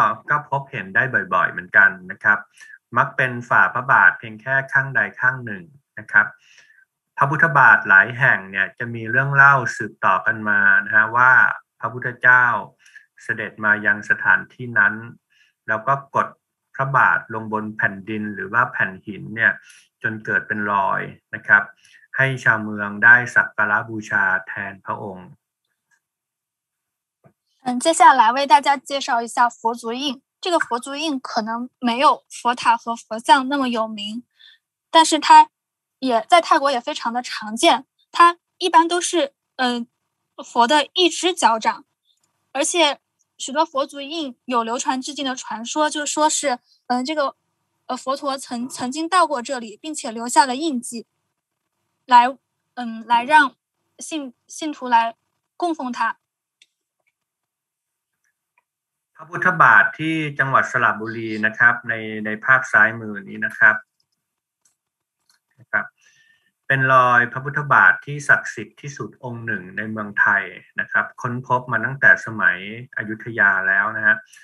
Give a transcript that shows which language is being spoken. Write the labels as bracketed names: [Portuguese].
[Thai] ก็พบเห็นได้บ่อยๆเหมือนกันนะครับมักเป็นฝ่าพระบาทเพียงแค่ข้างใดข้างหนึ่งนะครับพระพุทธบาทหลายแห่งเนี่ยจะมีเรื่องเล่าสืบต่อกันมานะฮะว่าพระพุทธเจ้าเสด็จมายังสถานที่นั้นแล้วก็กดพระบาทลงบนแผ่นดินหรือว่าแผ่นหินเนี่ยจนเกิดเป็นรอยนะครับให้ชาวเมืองได้สักการะบูชาแทนพระองค์ [Chinese] 接下来为大家介绍一下佛足印。这个佛足印可能没有佛塔和佛像那么有名，但是它也在泰国也非常的常见。它一般都是佛的一只脚掌。而且许多佛足印有流传至今的传说，就是说是这个佛陀曾经到过这里，并且留下了印记来让信徒来供奉他。 [Thai] พระพุทธบาทที่จังหวัดสระบุรีนะครับในภาพซ้ายมือนี้นะครับเป็นรอยพระพุทธบาทที่ศักดิ์สิทธิ์ที่สุดองค์หนึ่งในเมืองไทยนะครับค้นพบมาตั้งแต่สมัยอยุธยาแล้วนะฮะ